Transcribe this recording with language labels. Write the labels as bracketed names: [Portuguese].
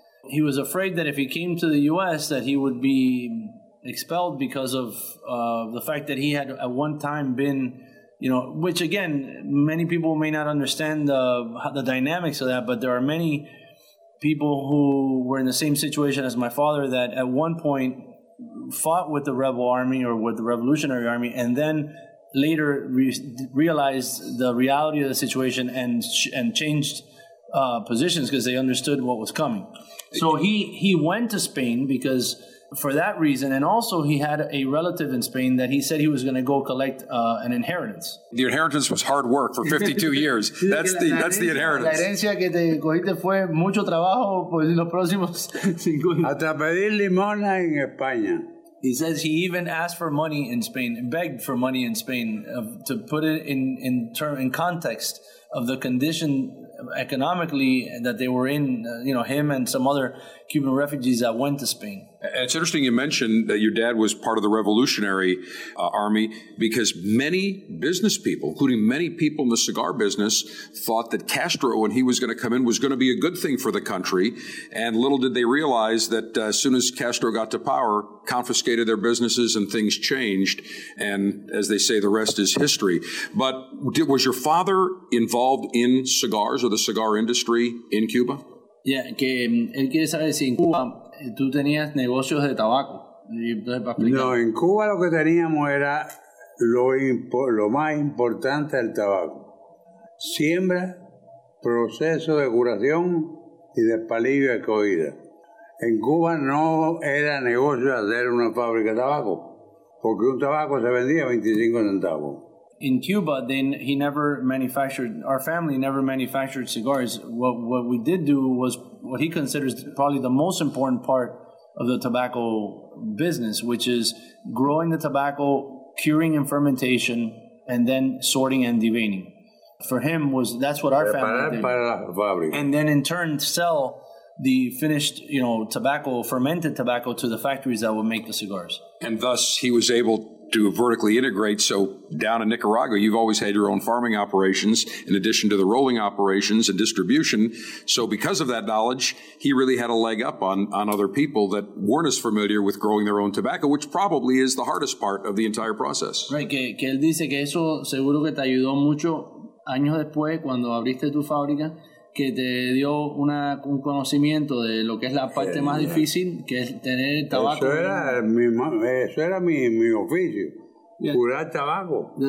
[English] He was afraid that if he came to the U.S. that he would be expelled because of the fact that he had at one time been, you know, which again, many people may not understand the dynamics of that, but there are many people who were in the same situation as my father that at one point fought with the rebel army or with the Revolutionary Army and then later realized the reality of the situation and changed positions because they understood what was coming. So he went to Spain because for that reason, and also he had a relative in Spain that he said he was going to go collect an inheritance. The inheritance was hard work for 52 years. That's the inheritance. [Spanish] La herencia que te cogiste fue mucho trabajo por los próximos 5 años. Hasta pedir limosna en España. [English] He says he even asked for money in Spain, begged for money in Spain, to put it in context of the condition economically that they were in, you know, him and some other Cuban refugees that went to Spain. It's interesting you mentioned that your dad was part of the Revolutionary Army because many business people, including many people in the cigar business, thought that Castro, when he was going to come in, was going to be a good thing for the country. And little did they realize that as soon as Castro got to power, confiscated their businesses and things changed. And as they say, the rest is history. But was your father involved in cigars or the cigar industry in Cuba? Yeah, [Spanish] que él quiere saber si en Cuba tú tenías negocios de tabaco. No, en Cuba lo que teníamos era lo más importante, el tabaco. Siembra, proceso de curación y de palillo de coída. En Cuba no era negocio hacer una fábrica de tabaco, porque un tabaco se vendía 25 centavos. [English] In Cuba, then he never manufactured, our family never manufactured cigars. What we did do was what he considers probably the most important part of the tobacco business, which is growing the tobacco, curing and fermentation, and then sorting and deveining. For him, that's what our family did. [Spanish] Para la fábrica. [English] And then in turn, sell the finished, you know, tobacco, fermented tobacco to the factories that would make the cigars. And thus, he was able to vertically integrate. So down in Nicaragua, you've always had your own farming operations in addition to the rolling operations and distribution. So because of that knowledge, he really had a leg up on other people that weren't as familiar with growing their own tobacco, which probably is the hardest part of the entire process. Right, [Spanish] que él dice que eso seguro que te ayudó mucho años después cuando abriste tu fábrica, que te dio un conocimiento de lo que es la parte más difícil, que es tener el tabaco. Eso era mi oficio, [English] yeah. [Spanish] Curar tabaco.